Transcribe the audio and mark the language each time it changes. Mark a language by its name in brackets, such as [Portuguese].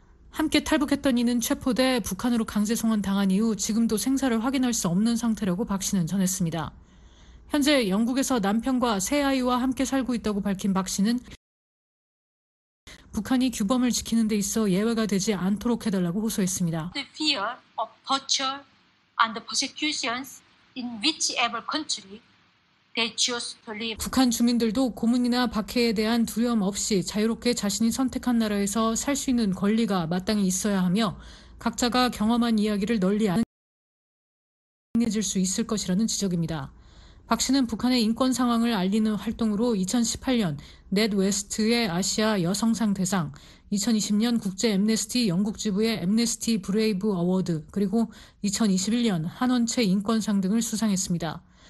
[Korean] 함께 탈북했던 이는 체포돼 북한으로 강제 송환 당한 이후 지금도 생사를 확인할 수 없는 상태라고 박 씨는 전했습니다. 현재 영국에서 남편과 세 아이와 함께 살고 있다고 밝힌 박 씨는 북한이 규범을 지키는 데 있어 예외가 되지 않도록 해달라고 호소했습니다. [English] The fear of torture and the persecutions in whichever country they choose to live. [Korean] 북한 주민들도 고문이나 박해에 대한 두려움 없이 자유롭게 자신이 선택한 나라에서 살 수 있는 권리가 마땅히 있어야 하며 각자가 경험한 이야기를 널리 알려질 수 있을 것이라는 지적입니다. 박 씨는 북한의 인권 상황을 알리는 활동으로 2018년 넷 웨스트의 아시아 여성상 대상, 2020년 국제 엠네스티 영국 지부의 엠네스티 브레이브 어워드, 그리고 2021년 한원체 인권상 등을 수상했습니다.